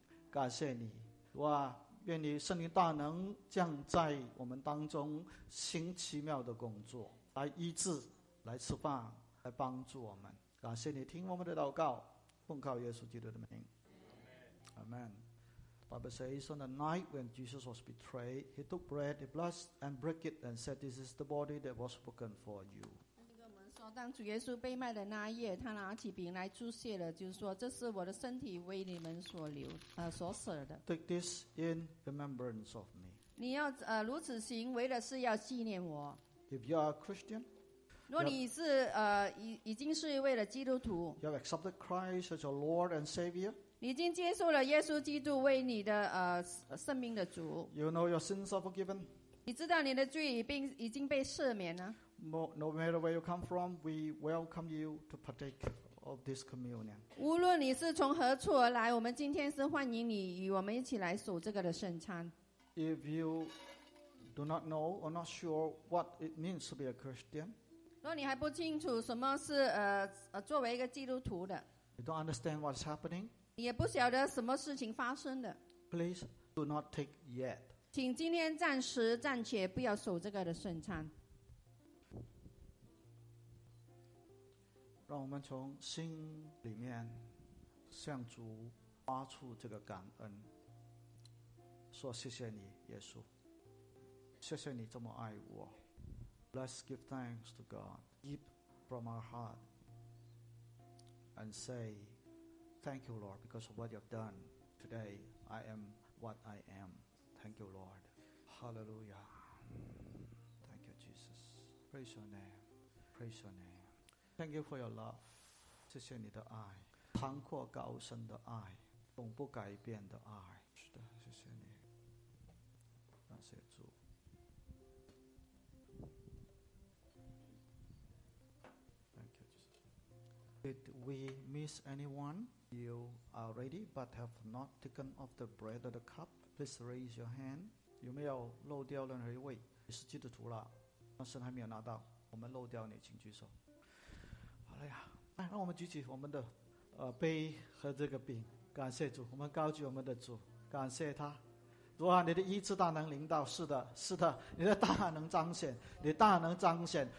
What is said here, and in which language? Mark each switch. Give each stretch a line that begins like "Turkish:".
Chinese: 感谢你，哇！愿你圣灵大能降在我们当中，行奇妙的工作，来医治，来释放，来帮助我们。感谢你听我们的祷告，奉靠耶稣基督的名。
English: Amen. Bible says, on the night when Jesus was betrayed, he took bread, he blessed, and broke it, and said, "This is the body that was broken for you."
Chinese: 我们说，当主耶稣被卖的那夜，他拿起饼来祝谢了，就是说，这是我的身体为你们所流，所舍的。
English: Take this in remembrance of me.
Chinese: 你要如此行，为的是要纪念我。
English: If you are a Christian.
Chinese: 如果你是已经是一位的基督徒。
English: You have accepted Christ as your Lord and Savior.
Chinese: 你已经接受了耶稣基督为你的圣命的主。
English: You know your sins are forgiven.
Chinese: 你知道你的罪已经被赦免了。
English: No matter where you come from, we welcome you to partake of this communion.
Chinese: 无论你是从何处而来，我们今天是欢迎你与我们一起来守这个的圣餐。
English: If you do not know or not sure what it means to be a Christian,
Chinese: 如果你还不清楚什么是作为一个基督徒的
English: ，You don't understand what's happening.
Chinese: 你也不晓得什么事情发生的。
English: Please do not take yet.
Chinese: 请今天暂时暂且不要守这个的圣餐。让我们从心里面向主发出这个感恩，说谢谢你耶稣，谢谢你这么爱我。
English: Let's give thanks to God deep from our heart and say thank you Lord because of what you've done today. I am what I am. Thank you Lord. Hallelujah. Thank you Jesus. Praise your name. Praise your name. Thank you for your love.
Chinese: 谢谢你的爱，广阔高深的爱，永不改变的爱。是的，谢谢你，感谢主。
English: Thank you, Jesus. Did we miss anyone? You are ready but have not taken off the bread or the cup. Please raise your hand.
Chinese: 有没有漏掉任何一位？你是基督徒了，但是还没有拿到，我们漏掉你，请举手。好了呀，来，让我们举起我们的杯和这个饼，感谢主，我们高举我们的主，感谢他。主啊，你的医治大能临到，是的，是的，你的大能彰显，你大能彰显。